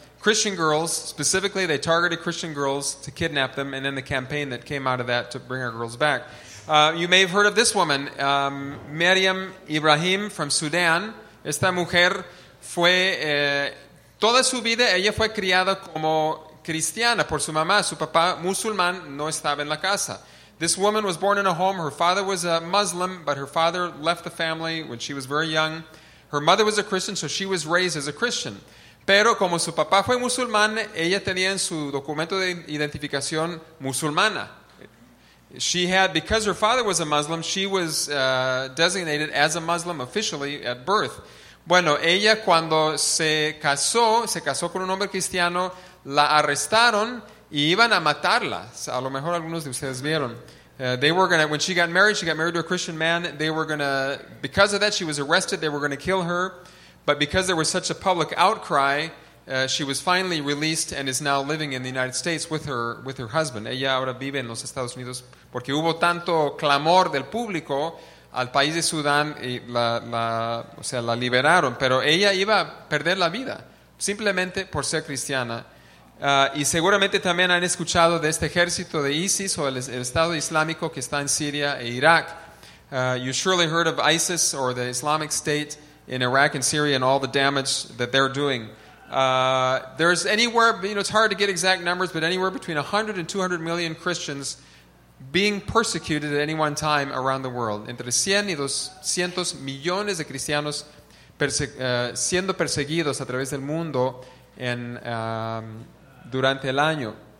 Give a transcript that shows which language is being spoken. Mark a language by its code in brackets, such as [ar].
[en] Christian girls, specifically, they targeted Christian girls to kidnap them, and then the campaign that came out of that to bring our girls back. You may have heard of this woman, Maryam Ibrahim from Sudan. [es] Esta mujer fue toda su vida ella fue criada como cristiana por su mamá. Su papá musulmán no estaba en la casa. [en] This woman was born in a home. Her father was a Muslim, but her father left the family when she was very young. Her mother was a Christian, so she was raised as a Christian. [es] Pero como su papá fue musulmán, ella tenía en su documento de identificación musulmana. [en] She had, because her father was a Muslim, she was designated as a Muslim officially at birth. [es] Bueno, ella cuando se casó con un hombre cristiano, la arrestaron y iban a matarla. A lo mejor algunos de ustedes vieron. [en] When she got married to a Christian man, because of that she was arrested, they were going to kill her. But because there was such a public outcry, she was finally released and is now living in the United States with her husband. [es] Ella ahora vive en los Estados Unidos porque hubo tanto clamor del público al país de Sudán y la liberaron. Pero ella iba a perder la vida simplemente por ser cristiana. Y seguramente también han escuchado de este ejército de ISIS o el Estado Islámico que está en Siria e Irak. [en] You surely heard of ISIS or the Islamic State in Iraq and Syria and all the damage that they're doing. There's anywhere, you know, it's hard to get exact numbers, but anywhere between 100 and 200 million Christians being persecuted at any one time around the world. [es] Entre 100 y 200 millones de cristianos siendo perseguidos a través del mundo en durante el año.